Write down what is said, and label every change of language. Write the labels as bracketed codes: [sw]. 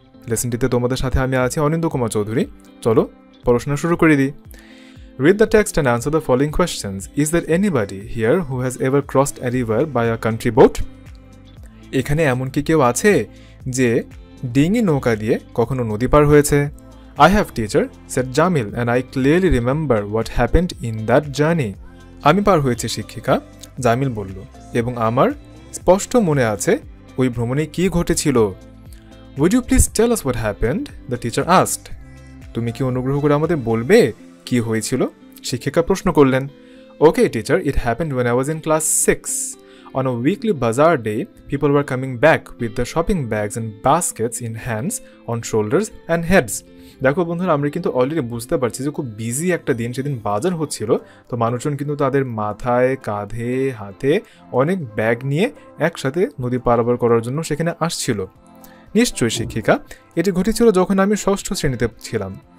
[bn] লেসনটিতে তোমাদের সাথে আমি আছি অনিন্দ্য কুমার চৌধুরী। চলো পড়াশোনা শুরু করে দিই। [en] Read the text and answer the following questions. Is there anybody here who has ever crossed a river by a country boat? [bn] এখানে এমন কি কেউ আছে যে ডিঙি নৌকা দিয়ে কখনো নদী পার হয়েছে? [en] I have teacher, said Jamil, and I clearly remember what happened in that journey. [bn] আমি পার হয়েছি শিক্ষিকা, জামিল বলল, এবং আমার স্পষ্ট মনে আছে ওই ভ্রমণে কি ঘটেছিল। [en] Would you please tell us what happened? The teacher asked. [bn] তুমি কি অনুগ্রহ করে আমাদের বলবে কি হয়েছিল? শিক্ষিকা প্রশ্ন করলেন। [en] Okay, teacher, it happened when I was in class 6. On a weekly bazaar day, people were coming back with their shopping bags and baskets in hands, on shoulders and heads. [bn] দেখো বন্ধুরা, আমরা কিন্তু অলরেডি বুঝতে পারছি যে খুব busy একটা দিন, সেদিন বাজার হচ্ছিল, তো মানুষজন কিন্তু তাদের মাথায় কাঁধে হাতে অনেক ব্যাগ নিয়ে একসাথে নদী পারাপার করার জন্য সেখানে আসছিল। নিশ্চয়ই শিক্ষিকা, এটি ঘটেছিল যখন আমি ষষ্ঠ শ্রেণীতে ছিলাম।